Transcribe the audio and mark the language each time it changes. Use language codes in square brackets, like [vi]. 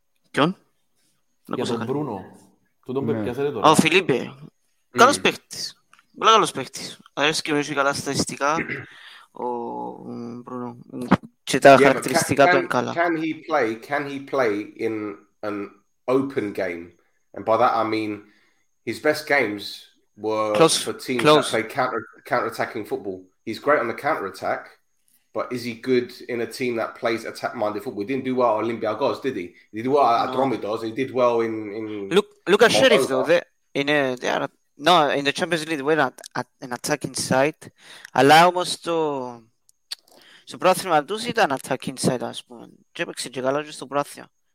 [el] Κιον? Για τον Μπρούνο. Του τον πέφτιασε τώρα. Ο Φιλίπε. Καλός παίχτης. Πολύ καλός παίχτης. Καλά στατιστικά. Ο Μπρούνο. Και τα χαρακτηριστικά του είναι καλά. [en] Can he play in an open game? And by that I mean his best games were for teams that play counter-attacking football. He's great on the counter-attack, but is he good in a team that plays attack-minded football? He didn't do well at Olympiacos, did he? He did well at Dromedos. He did well in Look at Sheriff, though. In the Champions League, we're not at an attacking side. Allow us to... [el] Στο πρόθυμα του ήταν attacking side, ας πούμε. Και έπαιξε και καλά στο πρόθυμα.